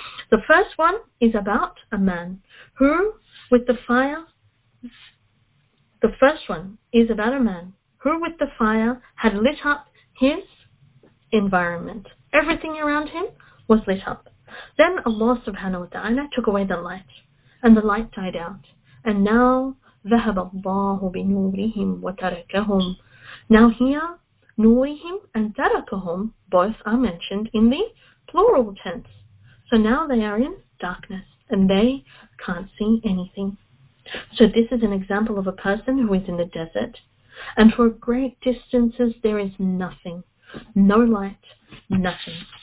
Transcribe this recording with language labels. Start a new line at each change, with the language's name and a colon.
English: The first one is about a man who, with the fire, the first one is about a man who, with the fire, had lit up his environment. Everything around him was lit up. Then Allah subhanahu wa ta'ala took away the light, and the light died out. And now,
Arabic: ذهب الله بنورهم وتركهم.
English: Now here, نورهم and تركهم both are mentioned in the plural tense. So now they are in darkness and they can't see anything. So this is an example of a person who is in the desert, and for great distances there is nothing, no light, nothing.